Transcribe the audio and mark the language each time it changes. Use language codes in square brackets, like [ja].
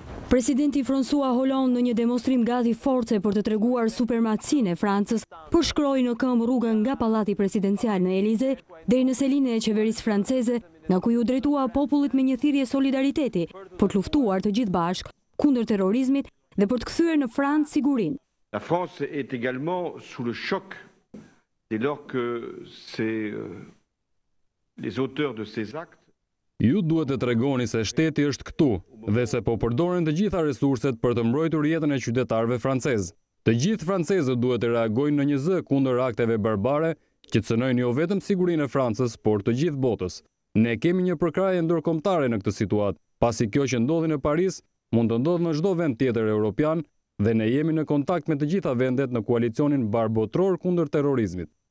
[sq] Presidenti François Hollande në një demonstrim gati force për të treguar supremacinë e Francës, përshkroi në këmbë rrugën nga Pallati Presidencial në Elize deri në selinën e qeverisë franceze, nga ku u drejtua popullit me një thirrje solidariteti për të luftuar të gjithë bashk kundër terrorizmit dhe për të kthyer në Francë sigurinë. [fr] La France est également sous le choc dès lors que les auteurs de ces actes [sq] Ju duhet të tregoni se shteti është këtu dhe se po përdoren të gjitha resurset për të mbrojtur jetën e qytetarëve francez. Të gjithë francezët duhet të reagojnë në një zë kundër akteve barbare që cënojnë jo vetëm sigurinë e Francës, por të gjithë botës. Ne kemi një përkraje ndërkombëtare në këtë situatë, pasi kjo që ndodhi në Paris mund të ndodhë në çdo vend tjetër europian dhe ne jemi në kontakt me të gjitha vendet në koalicionin barbotror kundër terrorizmit.